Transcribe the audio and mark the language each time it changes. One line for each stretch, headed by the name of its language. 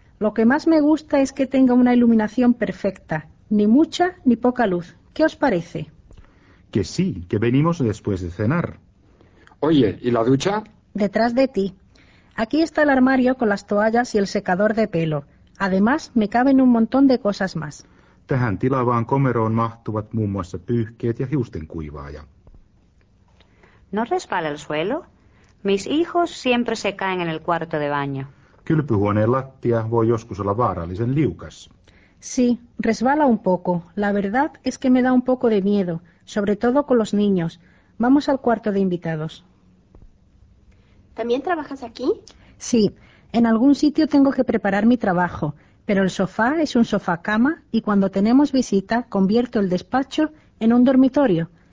Spanish: Lo que más me gusta es que tenga una iluminación perfecta. Ni mucha ni poca luz. ¿Qué os parece? Que sí, que venimos después de cenar. Oye, ¿y la ducha? Detrás de ti. Aquí está el armario con las toallas y el secador de pelo. Además, me caben un montón de cosas más.
Finnish: Tähän tilavaan komeroon mahtuvat muun muassa pyyhkeet ja hiustenkuivaaja.
Spanish: ¿No resbala el suelo? Mis hijos siempre se caen en el cuarto de baño.
Finnish: Kylpyhuoneen lattia voi joskus olla vaarallisen liukas.
Spanish: Sí, resbala un poco. La verdad es que me da un poco de miedo, sobre todo con los niños. Vamos al cuarto de invitados. ¿También trabajas aquí? Sí, en algún sitio tengo que preparar mi trabajo, pero el sofá es un sofá-cama y cuando tenemos visita convierto el despacho en un dormitorio.